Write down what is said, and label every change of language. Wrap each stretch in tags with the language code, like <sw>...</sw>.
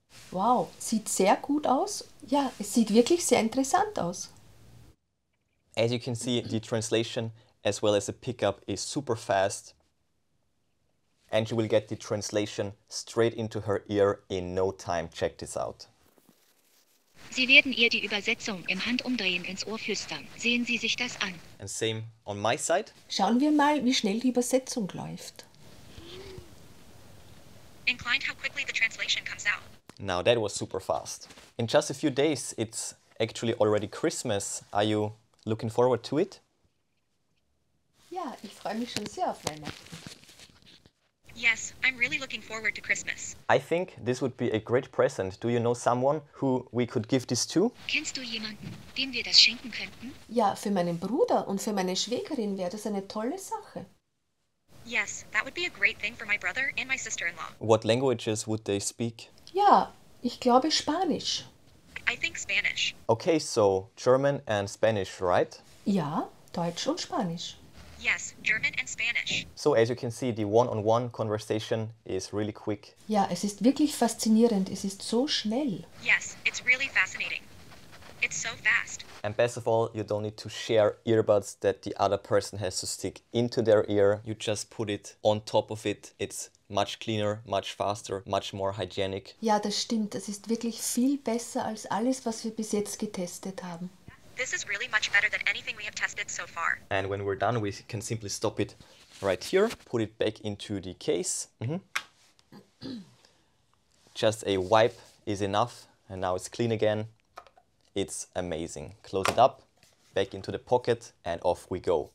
<de>Wow, sieht sehr gut aus. Ja, es sieht wirklich sehr interessant aus.</de> <en>As you can see, the translation as well as the pickup is super fast. And you will get the translation straight into her ear in no time. Check this out.</en> <de>Sie werden ihr die Übersetzung im Handumdrehen ins Ohr flüstern. Sehen Sie sich das an.</de> <en>And same on my side.</en> <de>Schauen wir mal, wie schnell die Übersetzung läuft.</de> <en>Inclined how quickly the translation comes out. Now that was super fast. In just a few days, it's actually already Christmas. Are you looking forward to it?</en> <de>Ja, ich freue mich schon sehr auf Weihnachten.</de> <en>Yes, I'm really looking forward to Christmas. I think this would be a great present. Do you know someone who we could give this to?</en> <de>Kennst du jemanden, dem wir das schenken könnten? Ja, für meinen Bruder und für meine Schwägerin wäre das eine tolle Sache.</de> <en>Yes, that would be a great thing for my brother and my sister-in-law. What languages would they speak?</en> <de>Ja, ich glaube Spanisch.</de> <en>I think Spanish. Okay, so German and Spanish, right?</en> <de>Ja, Deutsch und Spanisch.</de> <en>Yes, German and Spanish. So as you can see, the one-on-one conversation is really quick.</en> <de>Ja, es ist wirklich faszinierend. Es ist so schnell.</de> <en>Yes, it's really fascinating. It's so fast. And best of all, you don't need to share earbuds that the other person has to stick into their ear. You just put it on top of it. It's much cleaner, much faster, much more hygienic.</en> <de>Ja, das stimmt. Das ist wirklich viel besser als alles, was wir bis jetzt getestet haben.</de> <en>This is really much better than anything we have tested so far. And when we're done, we can simply stop it right here, put it back into the case. Mm-hmm. Just a wipe is enough, and now it's clean again. It's amazing. Close it up, back into the pocket, and off we go.</en>